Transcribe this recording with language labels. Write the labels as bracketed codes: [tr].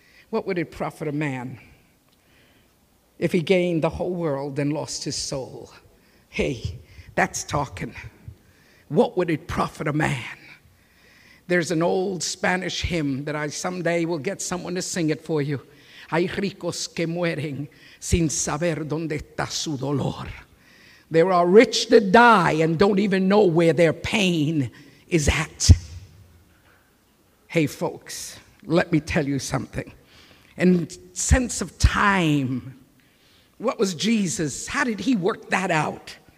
[en] What would it profit a man if he gained the whole world and lost his soul? Hey, that's talking. What would it profit a man? There's an old Spanish hymn that I someday will get someone to sing it for you. [es] Hay ricos que mueren sin saber dónde está su dolor. [en] There are rich that die and don't even know where their pain is at. Hey, folks, let me tell you something. And sense of time. What was Jesus? How did He work that out?